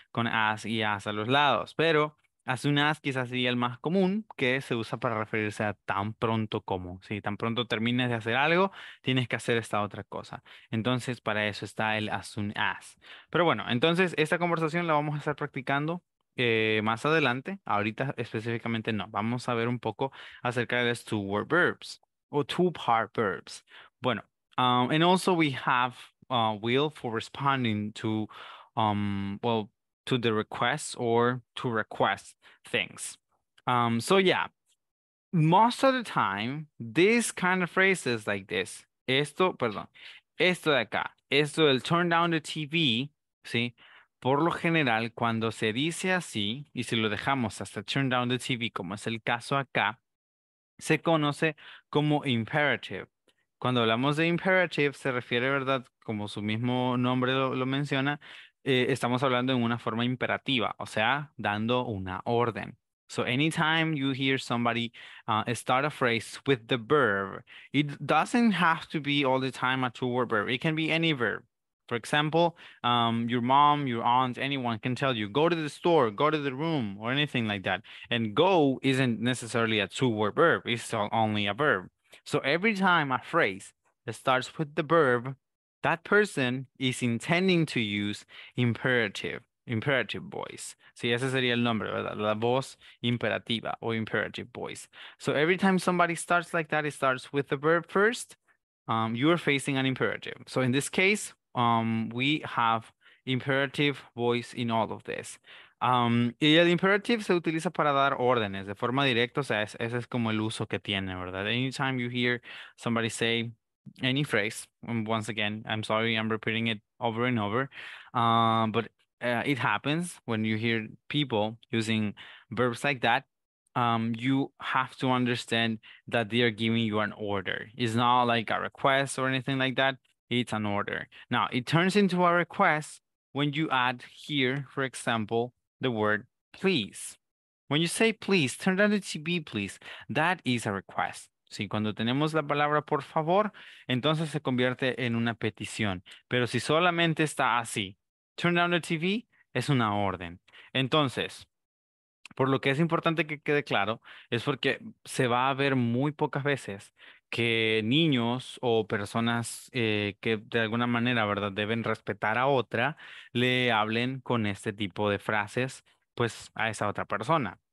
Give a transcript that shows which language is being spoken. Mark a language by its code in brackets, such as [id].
[es] Con as y as a los lados. Pero as soon as quizás sería el más común que se usa para referirse a tan pronto como. Si tan pronto termines de hacer algo, tienes que hacer esta otra cosa. Entonces, para eso está el as soon as. Pero bueno, entonces esta conversación la vamos a estar practicando más adelante, ahorita específicamente no. Vamos a ver un poco acerca de las two-word verbs o two-part verbs. [en] Bueno, and also we have will for responding to, to the requests or to request things. So yeah, most of the time, these kind of phrases like this, [es] esto de acá, esto del [en] turn down the TV, [es] ¿sí? Por lo general, cuando se dice así, y si lo dejamos hasta [en] turn down the TV, [es] como es el caso acá, se conoce como imperative. Cuando hablamos de imperative, se refiere, ¿verdad? Como su mismo nombre lo menciona, estamos hablando en una forma imperativa, o sea, dando una orden. [en] So anytime you hear somebody start a phrase with the verb, it doesn't have to be all the time a two-word verb. It can be any verb. For example, your mom, your aunt, anyone can tell you, go to the store, go to the room, or anything like that. And go isn't necessarily a two-word verb. It's only a verb. So every time a phrase that starts with the verb, that person is intending to use imperative voice. [es] Sí, ese sería el nombre, ¿verdad? La voz imperativa o imperative voice. [en] So every time somebody starts like that, it starts with the verb first, you are facing an imperative. So in this case, we have imperative voice in all of this. [es] Y el imperative se utiliza para dar órdenes de forma directa, o sea, ese es como el uso que tiene, ¿verdad? [en] Anytime you hear somebody say any phrase, once again, I'm sorry, I'm repeating it over and over, but it happens when you hear people using verbs like that, you have to understand that they are giving you an order. It's not like a request or anything like that. It's an order. Now, it turns into a request when you add here, for example, the word please. When you say please, turn down the TV, please. That is a request. [es] Sí, cuando tenemos la palabra por favor, entonces se convierte en una petición. Pero si solamente está así, [en] turn down the TV, [es] es una orden. Entonces, por lo que es importante que quede claro, es porque se va a ver muy pocas veces que niños o personas que de alguna manera, ¿verdad?, deben respetar a otra, le hablen con este tipo de frases, pues, a esa otra persona.